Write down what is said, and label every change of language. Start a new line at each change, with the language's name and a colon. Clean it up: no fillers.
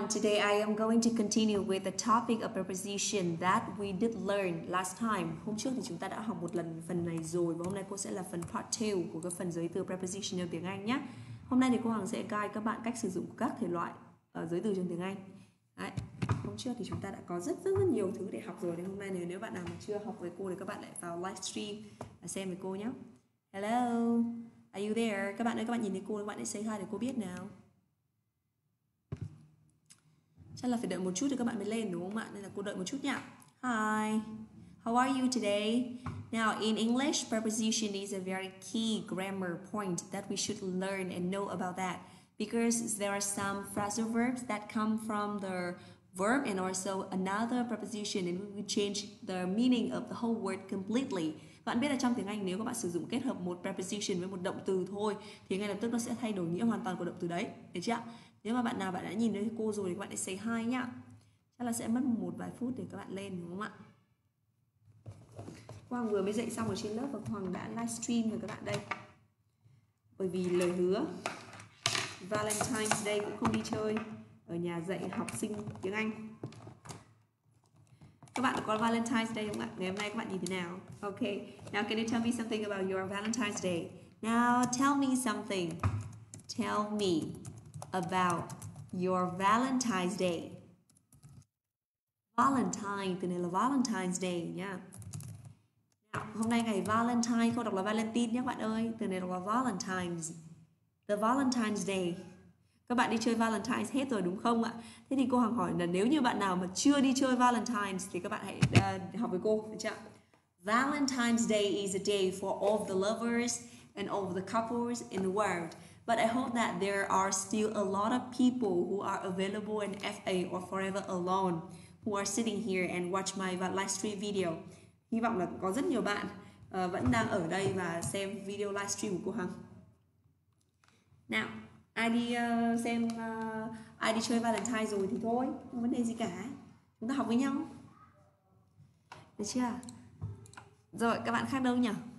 English: Today I am going to continue with the topic of preposition that we did learn last time.
Vietnamese: Hôm trước thì chúng ta đã học một lần phần này rồi và hôm nay cô sẽ là phần part 2 của cái phần giới từ preposition ở tiếng Anh nhé. Hôm nay thì cô Hằng sẽ guide các bạn cách sử dụng các thể loại giới từ trong tiếng Anh. Đấy. Hôm trước thì chúng ta đã có rất nhiều thứ để học rồi. Thì hôm nay thì nếu bạn nào mà chưa học với cô thì các bạn lại vào livestream và xem với cô nhé.
English: Hello, are you there?
Vietnamese: Các bạn ơi, các bạn nhìn thấy cô, các bạn hãy say hi để cô biết nào. Chắc là phải đợi một chút thì các bạn mới lên đúng không ạ? Nên là cô đợi một chút nha.
English: Hi, how are you today? Now, in English, preposition is a very key grammar point that we should learn and know about that. Because there are some phrasal verbs that come from the verb and also another preposition and we change the meaning of the whole word completely.
Vietnamese: Bạn biết là trong tiếng Anh nếu các bạn sử dụng kết hợp một preposition với một động từ thôi thì ngay lập tức nó sẽ thay đổi nghĩa hoàn toàn của động từ đấy. Được chưa ạ? Nếu mà bạn nào bạn đã nhìn thấy cô rồi thì các bạn hãy say hi nhá. Chắc là sẽ mất một vài phút để các bạn lên đúng không ạ? Hoàng vừa mới dạy xong ở trên lớp và Hoàng đã livestream rồi các bạn đây. Bởi vì lời hứa Valentine's Day cũng không đi chơi, ở nhà dạy học sinh tiếng Anh. Các bạn có Valentine's Day không ạ? Ngày hôm nay các bạn nhìn thế nào?
English: Ok, now can you tell me something about your Valentine's Day? Now tell me something. Tell me about your Valentine's Day.
Vietnamese: Valentine, từ này là Valentine's Day nha. Now, hôm nay ngày Valentine, cô đọc là Valentine nhé các bạn ơi. Từ này đọc là Valentine's. The Valentine's Day. Các bạn đi chơi Valentine's hết rồi đúng không ạ? Thế thì cô Hằng hỏi là nếu như bạn nào mà chưa đi chơi Valentine's thì các bạn hãy học với cô, được chưa?
English: Valentine's Day is a day for all the lovers and all the couples in the world. But I hope that there are still a lot of people who are available in FA or forever alone who are sitting here and watch my livestream video.
Vietnamese: Hy vọng là có rất nhiều bạn vẫn đang ở đây và xem video livestream của cô Hằng. Nào, ai đi xem, ai đi chơi Valentine rồi thì thôi, không vấn đề gì cả. Chúng ta học với nhau. Được chưa? Rồi, các bạn khác đâu nhỉ?